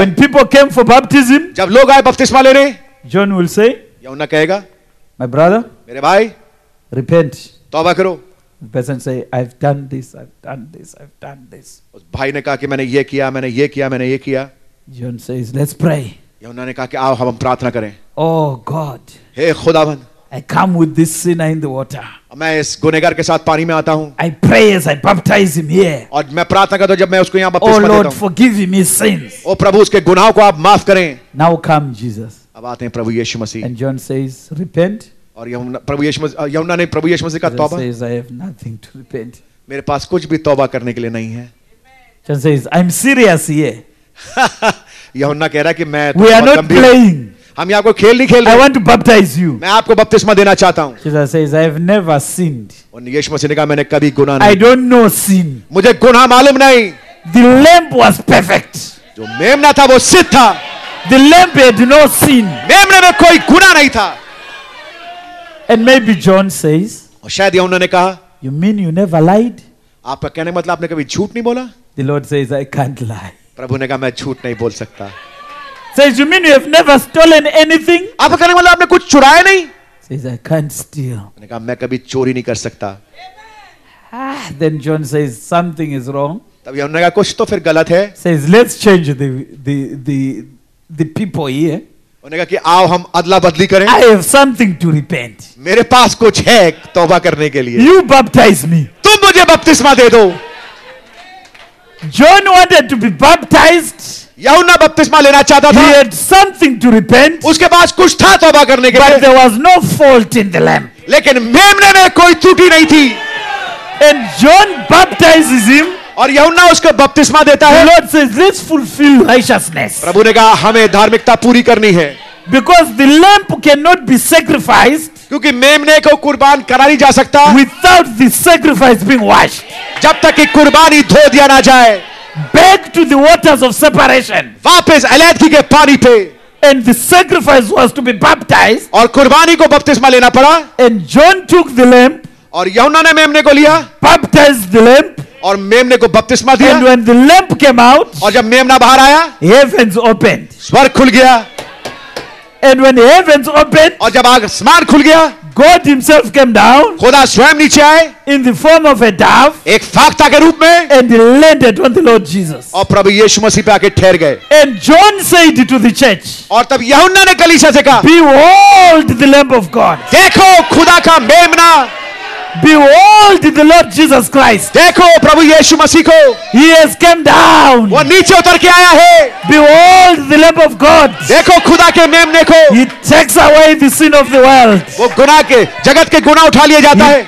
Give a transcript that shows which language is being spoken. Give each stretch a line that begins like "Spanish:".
English: When people came for baptism,
Hindi: जब लोग आए बपतिस्मा लेने,
English: John will say,
Hindi: यूहन्ना कहेगा,
English: My brother,
Hindi: मेरे भाई,
English: repent.
Hindi: तौबा करो.
English: The person say, I've done this.
Hindi: उस भाई ने कहा कि मैंने ये किया.
English: John says, let's pray.
Hindi: यूहन्ना ने कहा कि आओ हम प्रार्थना करें.
English: Oh God,
Hindi: हे खुदावन,
English: I come with this sinner in the water.
Hindi: मैं इस गुनेगार के साथ पानी में आता हूँ.
English: I pray as I baptize him here.
Hindi: और मैं प्रार्थना करता हूँ जब मैं उसको यहाँ बपतिस्मा देता हूँ.
English: Oh Lord, forgive me sins.
Hindi: ओ प्रभु उसके गुनाहों को आप माफ करें.
English: Now come Jesus.
Hindi: अब आते हैं प्रभु यीशु मसीह.
English: And John says, repent.
Hindi: और यूहन्ना ने प्रभु यीशु मसीह का तौबा.
English: John says, I have nothing to repent.
Hindi: मेरे पास कुछ भी तौबा करने के लिए नहीं है.
English: John says, I'm serious here.
Hindi: यूहन्ना कह रहा कि मैं
English: We are not playing.
Hindi: हम यहाँ कोई खेल नहीं खेल रहे.
English: I want to baptize you.
Hindi: मैं आपको बपतिस्मा देना चाहता हूँ.
English: Jesus says, I have never sinned.
Hindi: और यीशु मसीह ने कहा मैंने कभी गुनाह नहीं.
English: I don't know sin.
Hindi: मुझे गुनाह मालूम नहीं.
English: The lamp was perfect.
Hindi: जो मेमना था वो सिद्ध था.
English: The lamp had no sin.
Hindi: मेमने में कोई गुनाह नहीं था.
English: And maybe John says,
Hindi: और शायद यूहन्ना ने कहा,
English: You mean you never lied?
Hindi: आपका कहने मतलब आपने कभी झूठ नहीं बोला?
English: The Lord says, I can't lie.
Hindi: प्रभु ने कहा मैं झूठ नहीं बोल सकता.
English: Says you mean you have never stolen anything?
Hindi: आपका कहने मतलब आपने कुछ चुराया नहीं?
English: Says I can't steal.
Hindi: मैंने कहा मैं कभी चोरी नहीं कर सकता.
English: Then John says something is wrong.
Hindi: तब यूहन्ना कहा कुछ तो फिर गलत है.
English: Says let's change the people here.
Hindi: उन्होंने कहा कि आओ हम अदला बदली करें.
English: I have something to repent.
Hindi: मेरे पास कुछ है तौबा करने के लिए.
English: You baptize me.
Hindi: तुम मुझे बपतिस्मा दे दो.
English: John wanted to be baptized.
Hindi: यूहन्ना बपतिस्मा लेना चाहता था.
English: He had something to repent.
Hindi: उसके पास कुछ था तौबा करने के लिए.
English: But there was no fault in the lamp.
Hindi: लेकिन मेमने में कोई त्रुटि नहीं थी.
English: And John baptizes him.
Hindi: और यूहन्ना उसको बपतिस्मा देता है.
English: Lord says, "Let's fulfill righteousness."
Hindi: प्रभु ने कहा हमें धार्मिकता पूरी करनी है.
English: Because the lamb cannot be sacrificed.
Hindi: क्योंकि मेमने को कुर्बान करा नहीं जा सकता.
English: Without the sacrifice being washed.
Hindi: जब तक कि कुर्बानी धो दिया ना जाए.
English: Back to the waters of separation.
Hindi: वापस अलैहदगी के पानी पे.
English: And the sacrifice was to be baptized.
Hindi: और कुर्बानी को बपतिस्मा लेना पड़ा.
English: And John took the lamb.
Hindi: और यूहन्ना ने मेमने को लिया.
English: Baptized the lamb.
Hindi: और मेमने को बपतिस्मा दिया.
English: And when the lamp came out,
Hindi: और जब मेमना बाहर आया,
English: heavens opened.
Hindi: स्वर्ग खुल गया.
English: And when heavens opened,
Hindi: और जब आसमान खुल गया,
English: God himself came down.
Hindi: खुदा स्वयं नीचे आए.
English: In the form of a dove.
Hindi: एक फाख्ता के रूप में.
English: And he landed on the Lord Jesus.
Hindi: और प्रभु यीशु मसीह पे आके ठहर गए.
English: And John said to the church.
Hindi: और तब यूहन्ना ने कलीसिया से कहा.
English: Behold the Lamb of God.
Hindi: देखो खुदा का मेमना.
English: Behold the Lord Jesus Christ.
Hindi: देखो प्रभु यीशु मसीह को.
English: He has come down.
Hindi: वो नीचे उतर के आया है.
English: Behold the Lamb of God.
Hindi: देखो खुदा के मेमने को.
English: He takes away the sin of the world.
Hindi: वो गुनाह के जगत के गुनाह उठा लिए जाता है.